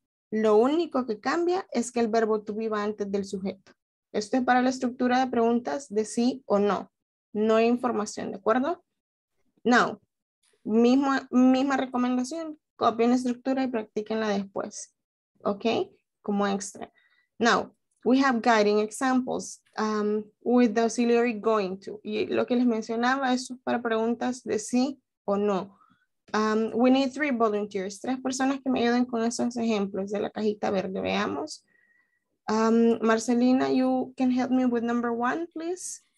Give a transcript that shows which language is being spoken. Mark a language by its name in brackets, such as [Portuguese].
[Spanish] Lo único que cambia es que el verbo to be va antes del sujeto. Esto es para la estructura de preguntas de sí o no. No hay información, ¿de acuerdo? Now, misma recomendación, copien la estructura y practíquenla después, ¿ok? Como extra. [English] Now, we have guiding examples with the auxiliary going to. [Spanish] Y lo que les mencionaba, eso es para preguntas de sí o no. [English] We need three volunteers, [Spanish] tres personas que me ayuden con esos ejemplos de la cajita verde. Veamos. [English] Marcelina, you can help me with number one, please.